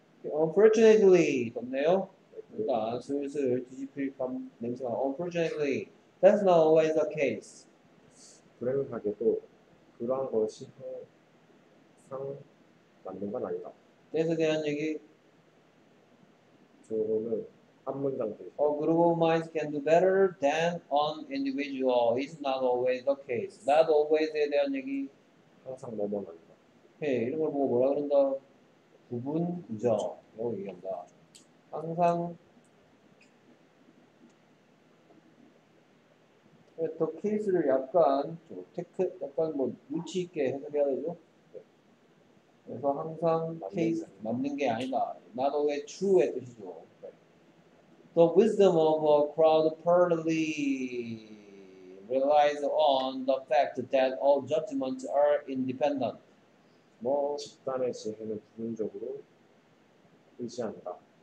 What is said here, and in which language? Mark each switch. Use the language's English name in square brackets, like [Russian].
[Korean] Unfortunately, 덥네요. 일단 슬슬 뒤집힐 냄새가. [English] Unfortunately, that's not always the case. [Korean] 불행하게도 그러한 것이 항상 맞는 건 아니다. 그래서 대한 얘기. 저거는 한 문장 돼. [English] A group of minds can do better than an individual. It's not always the case. Not always에 [Korean] 대한 얘기. 항상 뭐뭐 아니다. 이런 걸 보고 뭐라 그런다? 구분구조. 라고 얘기한다. 항상 또 케이스를 약간 약간 뭐 눈치 있게 해석해야 되죠. 그래서 항상 케이스 맞는 게 아니다. [English] Not always true의 [Korean] 뜻이죠. [English] The wisdom of a crowd partly relies on the fact that all judgments are independent. [Korean] 뭐 집단의 지혜는 부분적으로 의지한다.